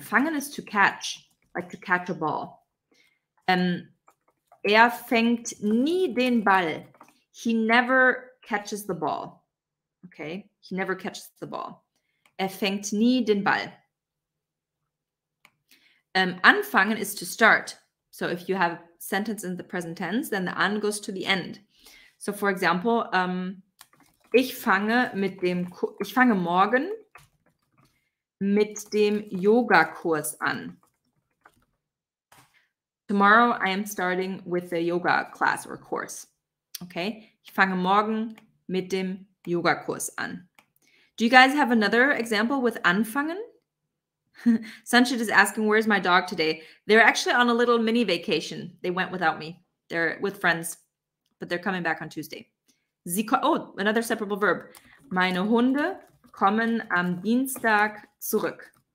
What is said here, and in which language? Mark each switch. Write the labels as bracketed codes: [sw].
[en] Fangen is to catch, like to catch a ball. [de] Er fängt nie den Ball. [en] He never catches the ball. Okay? He never catches the ball. [de] Er fängt nie den Ball. [en] Anfangen is to start. So if you have a sentence in the present tense, then the an goes to the end. So for example, [de] ich fange morgen mit dem Yoga-Kurs an. [en] Tomorrow I am starting with a yoga class or course. Okay? [de] Ich fange morgen mit dem Yoga-Kurs an. [en] Do you guys have another example with anfangen? Sunshine is asking, where is my dog today? They're actually on a little mini vacation. They went without me. They're with friends, but they're coming back on Tuesday. Another separable verb. [de] Meine Hunde kommen am Dienstag zurück.